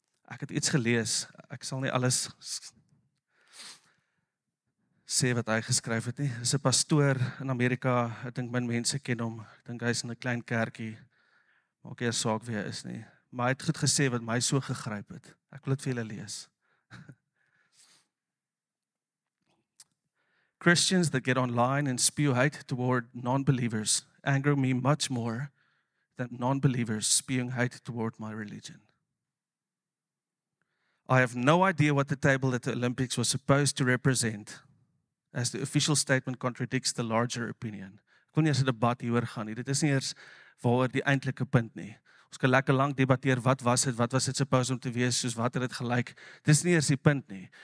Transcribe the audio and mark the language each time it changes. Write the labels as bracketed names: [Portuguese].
[Afrikaans] Ek het iets gelees, ek sal nie alles sê wat hy geskryf het nie. Dis 'n pastoor in Amerika, ek dink min mense ken hom, ek dink hy is in 'n klein kerkie, maak nie 'n saak wie hy is nie. Maar hy het goed gesê wat my so gegryp het, ek wil dit vir julle lees. [English] Christians that get online and spew hate toward non-believers anger me much more than non-believers spewing hate toward my religion. I have no idea what the table at the Olympics was supposed to represent, as the official statement contradicts the larger opinion. [Afrikaans] Ek wil nie eens 'n debat hieroor gaan nie. Dit is nie eers waaroor die eintlike punt nie. Ons kan lekker lank debatteer wat was dit supposed om te wees, soos wat het dit gelyk. Dit is nie eers die punt nie.